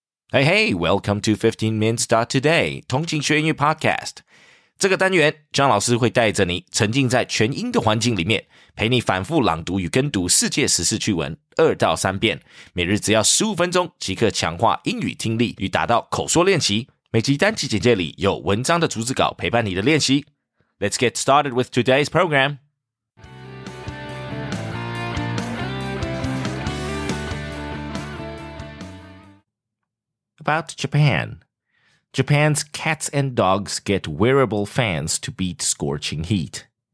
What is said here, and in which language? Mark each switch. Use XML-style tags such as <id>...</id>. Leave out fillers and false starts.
<en>Hey, hey, welcome to 15minutes.today, 同情学英语 podcast。</en> <zh>这个单元张老师会带着你沉浸在全英的环境里面，陪你反复朗读与跟读世界时事趣闻二到三遍，每日只要15分钟即刻强化英语听力与达到口说练习。每集单集简介里有文章的逐字稿陪伴你的练习。</zh> <en>Let's get started with today's programAbout Japan. Japan's cats and dogs get wearable fans to beat scorching heat.</en>